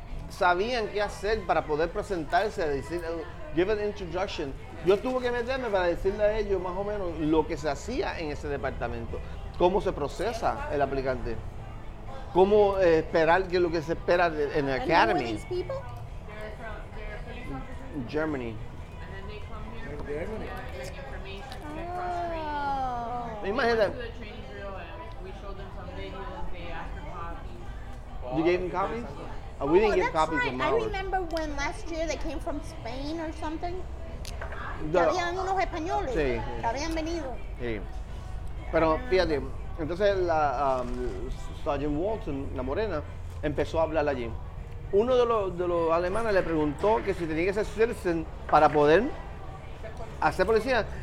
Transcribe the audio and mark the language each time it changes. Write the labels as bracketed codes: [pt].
[es] Sabían qué hacer para poder presentarse a decir... [en] Give an introduction. [es] Yo tuve que meterme para decirle a ellos más o menos lo que se hacía en ese departamento. Cómo se procesa el aplicante. Cómo esperar, qué es lo que se espera en el academy. [en] And who are these people? Germany. And then they come here and get information, get cross-training. Imagine that. We went to the training drill and we showed them some videos. They asked for copies. You gave them copies? We didn't get copies right. Of them. I remember when last year they came from Spain or something. [es] Habían unos españoles. Sí. Habían venido. Sí. Pero fíjate, entonces la Sergeant Walton, la morena, empezó a hablar allí. Uno de los alemanes le preguntó que si tenía que ser citizen para poder hacer policía.